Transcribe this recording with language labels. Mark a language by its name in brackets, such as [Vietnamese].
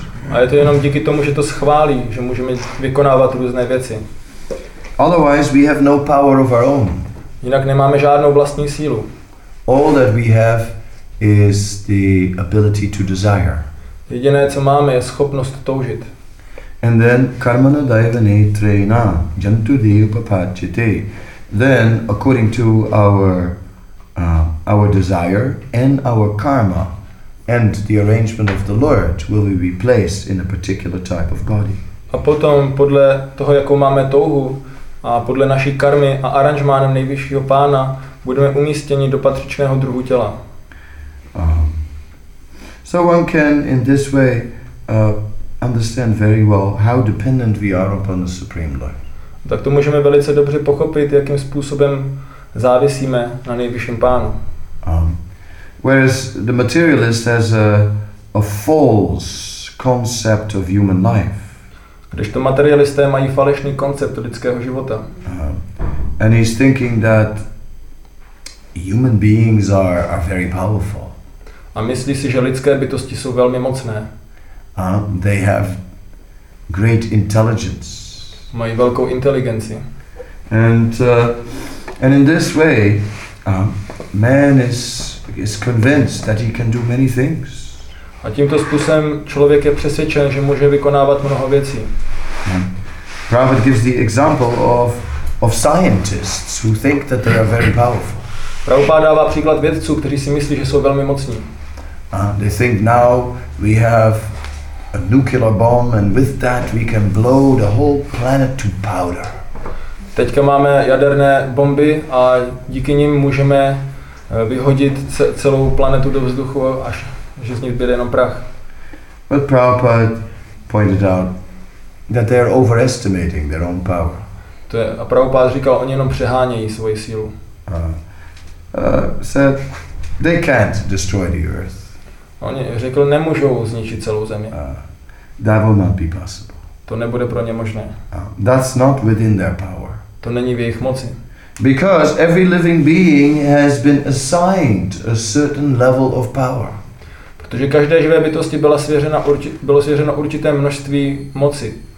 [Czech] A je to jenom díky tomu, že to schválí, že můžeme vykonávat různé věci. [English] Otherwise we have no power of our own. [Czech] Jinak nemáme žádnou vlastní sílu. [English] All that we have is the ability to desire. [Czech] Jediné, co máme, je schopnost toužit. [English] And then [Sanskrit] karmana daivane treina jantu deupapachite. [English] Then according to our desire and our karma and the arrangement of the Lord will we be placed in a particular type of body. [Czech] A potom podle toho, jakou máme touhu a podle naší karmy a aranžmánem nejvyššího pána budeme umístěni do patřičného druhu těla. [English] So one can in this way understand very well how dependent we are upon the Supreme Lord. [Czech] Tak to můžeme velice dobře pochopit, jakým způsobem závisíme na nejvyšším pánu. [English] Whereas the materialist has a false concept of human life. [Czech] Když to materialisté mají falešný koncept lidského života. [English] And he's thinking that human beings are very powerful. [Czech] A myslí si, že lidské bytosti jsou velmi mocné. [English] They have great intelligence. [Czech] Mají velkou inteligenci. [English] And in this way, man is convinced that he can do many things. [Czech] A tímto způsobem člověk je přesvědčen, že může vykonávat mnoho věcí. [English] Prabhupada gives the example of scientists who think that they are very powerful. [Czech] Prabhupada dává příklad vědců, kteří si myslí, že jsou velmi mocní. [English] They think now we have a nuclear bomb and with that we can blow the whole planet to powder. [Czech] Teďka máme jaderné bomby a díky nim můžeme vyhodit celou planetu do vzduchu, až že z nich byl jenom prach. [English] But Prabhupada pointed out that they are overestimating their own power. [Czech] To je, a Prabhupada říkal, oni jenom přehánějí svoji sílu. [English] Said they can't destroy the earth. [Czech] Oni řekl, nemůžou zničit celou zemi. [English] That will not be possible. [Czech] To nebude pro ně možné. [English] That's not within their power. [Czech] To není v jejich moci. [English] Because every living being has been assigned a certain level of power. [Czech] Protože každé živé bytosti bylo svěřeno určité množství moci.